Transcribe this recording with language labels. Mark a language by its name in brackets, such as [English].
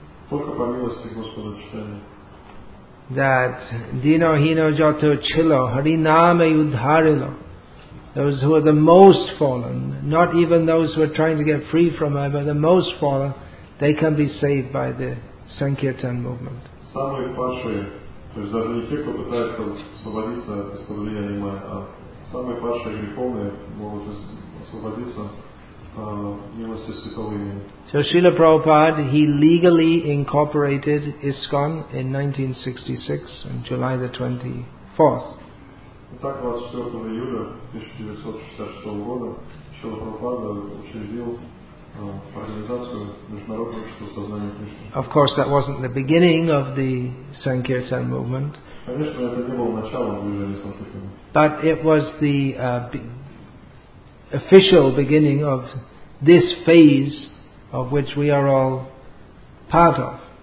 [Bangla] That Dino Hino Jato Chilo Hariname Udharilo. [English] Those who are the most fallen, not even those who are trying to get free from her, but the most fallen, they can be saved by the Sankirtan movement. [Russian] Самые падшие, то есть даже не те, кто пытается освободиться из подавления анимая, а самые падшие греховные могут освободиться милости святого имени. [English] So Srila Prabhupada, he legally incorporated ISKCON in 1966 on July the 24th. [Russian] Итак, 24 июля 1966 года Шрила Прабхупада учредил [English] Of course, that wasn't the beginning of the Sankirtan movement. But it was the official beginning of this phase of which we are all part of.